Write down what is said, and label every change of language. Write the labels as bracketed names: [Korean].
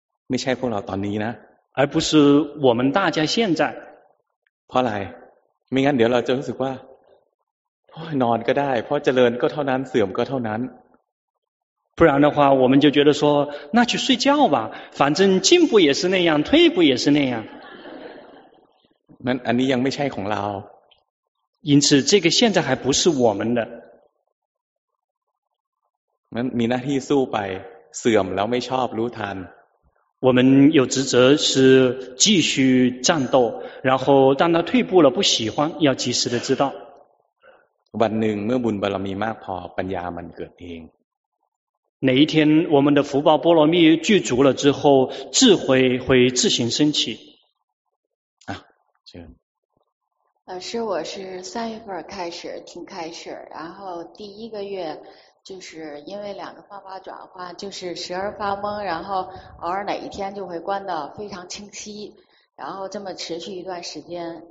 [Thai] ไม่ใช่พวกเราตอนนี้นะ [Chinese] 而不是我们大家现在 [Thai] เพราะอะไรไม่งั้นเดี๋ยวเราจะรู้สึกว่านอนก็ได้เพราะเจริญก็เท่านั้นเสื่อมก็เท่านั้น [Chinese] 不然的话我们就觉得说那去睡觉吧反正进步也是那样退步也是那样 [Thai] นั้นอันนี้ยังไม่ใช่ของเรา [Chinese] 因此这个现在还不是我们的 [Thai] นั้นมีหน้าที่สู้ไปเสื่อมแล้วไม่ชอบรู้ทัน [Chinese] 我们有职责是继续战斗，然后当他退步了不喜欢，要及时的知道。 [Thai] วันหนึ่งเมื่อบุญบารมีมากพอปัญญามันเกิดเอง [Chinese] 哪一天我们的福报波罗蜜具足了之后，智慧会自行升起。啊，这样。老师，我是三月份开始听开始，然后第一个月。就是因为两个方法转换，就是时而发懵，然后偶尔哪一天就会观得非常清晰，然后这么持续一段时间。